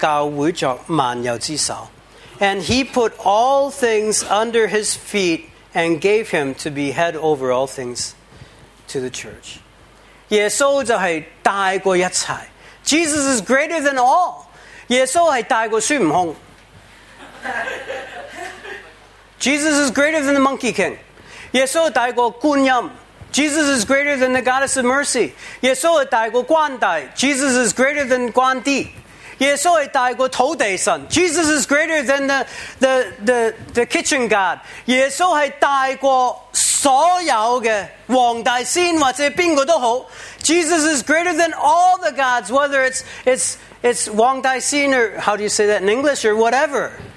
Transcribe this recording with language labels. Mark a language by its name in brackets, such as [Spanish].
[Chinese] 又将万有伏在他的脚下，使他为教会作万有之首。 [English] And he put all things under his feet and gave him to be head over all things to the church. [Chinese] 耶稣就是大过一切。 [English] Jesus is greater than all. [Chinese] 耶稣是大过孙悟空。 [English] Jesus is greater than the monkey king. [Chinese] 耶稣大过观音。 [English] Jesus is greater than the goddess of mercy. [Chinese] 耶稣大过观帝。 [English] Jesus is greater than 观帝。 [Chinese] 耶稣大过土地神。 [English] Jesus is greater than the kitchen god. [Chinese] 耶稣大过所有的王大仙或者谁都好。 [English] Jesus is greater than all the gods, whether it's Wang Dai Xin, or how do you say that in English, or whatever.